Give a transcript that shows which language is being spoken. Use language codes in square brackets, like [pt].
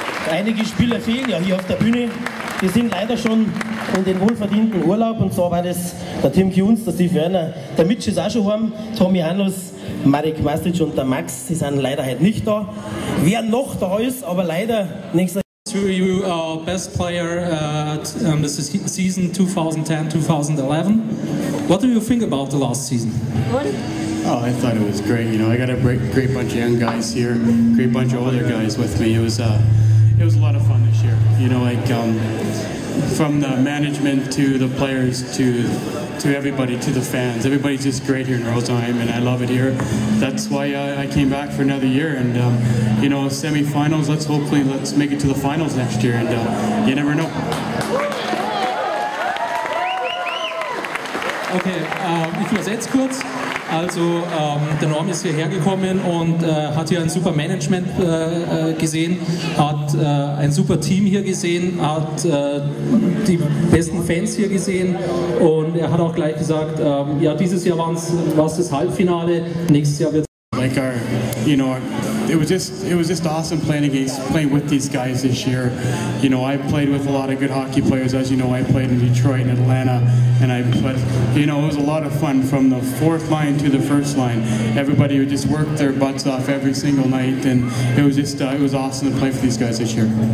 [de] Einige Spieler fehlen ja hier auf der Bühne. Wir sind leider schon in den wohlverdienten Urlaub. Und zwar waren das der Tim Kuhns, der Steve Werner, der Mitch ist auch schon heim, Tommy Anus, Marek Mastic und der Max, die sind leider heute nicht da. Wer noch da ist, aber leider nächstes Jahr. [en] To you, our best player, this is season 2010-2011. What do you think about the last season? Oh, I thought it was great. You know, I got a great bunch of young guys here, great bunch of older guys with me. It was a lot of fun this year, you know, like from the management to the players to everybody, to the fans. Everybody's just great here in Rosenheim, and I love it here. That's why I came back for another year, and, you know, semifinals, let's make it to the finals next year, and you never know. [de] Okay, ich übersetze kurz. Also der Norm ist hierher gekommen und hat hier ein super Management gesehen, hat ein super Team hier gesehen, hat die besten Fans hier gesehen und er hat auch gleich gesagt, ja, dieses Jahr war es das Halbfinale, nächstes Jahr wird es... [en] Like our, you know, it was just awesome playing with these guys this year. You know, I played with a lot of good hockey players. As you know, I played in Detroit and Atlanta, but you know, it was a lot of fun from the fourth line to the first line. Everybody would just work their butts off every single night, and it was awesome to play for these guys this year.